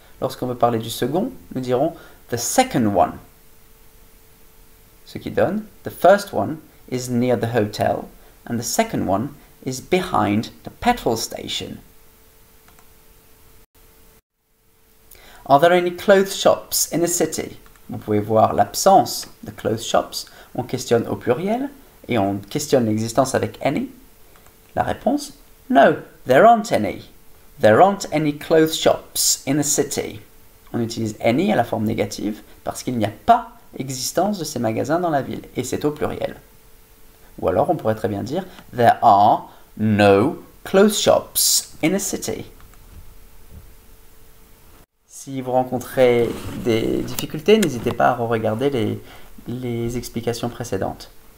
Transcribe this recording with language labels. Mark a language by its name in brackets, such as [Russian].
[French] Lorsqu'on veut parler du second, nous dirons the second one. Ce qui donne [English] the first one is near the hotel. And the second one is behind the petrol station. Are there any clothes shops in the city? [French] Vous pouvez voir l'absence de clothes shops. On questionne au pluriel et on questionne l'existence avec any. La réponse, [English] no, there aren't any. There aren't any clothes shops in the city. [French] On utilise any à la forme négative parce qu'il n'y a pas existence de ces magasins dans la ville et c'est au pluriel. Ou alors, on pourrait très bien dire [English] « There are no clothes shops in a city. [French] » Si vous rencontrez des difficultés, n'hésitez pas à re-regarder les explications précédentes.